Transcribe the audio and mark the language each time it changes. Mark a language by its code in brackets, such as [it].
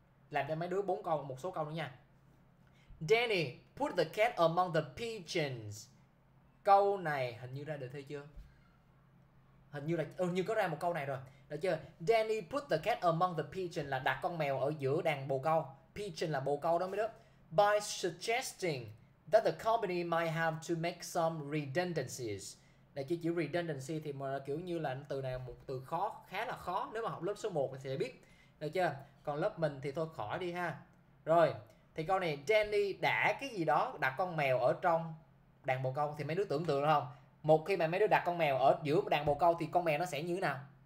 [vi] Làm cho mấy đứa bốn câu, một số câu nữa nha. [en] Danny put the cat among the pigeons. [vi] Câu này hình như ra được thế chưa? Hình như là như có ra một câu này rồi. Được chưa? [en] Danny put the cat among the pigeon [vi] là đặt con mèo ở giữa đàn bồ câu. Pigeon là bồ câu đó mấy đứa. [en] By suggesting that the company might have to make some redundancies. [vi] Đây chỉ chữ redundancy thì mà kiểu như là từ này một từ khó, khá là khó. Nếu mà học lớp số 1 thì sẽ biết. Được chưa? Còn lớp mình thì thôi khỏi đi ha. Rồi. Thì câu này Danny đã cái gì đó đặt con mèo ở trong đàn bồ câu thì mấy đứa tưởng tượng không? Một khi mà mấy đứa đặt con mèo ở giữa đàn bồ câu thì con mèo nó sẽ như thế nào?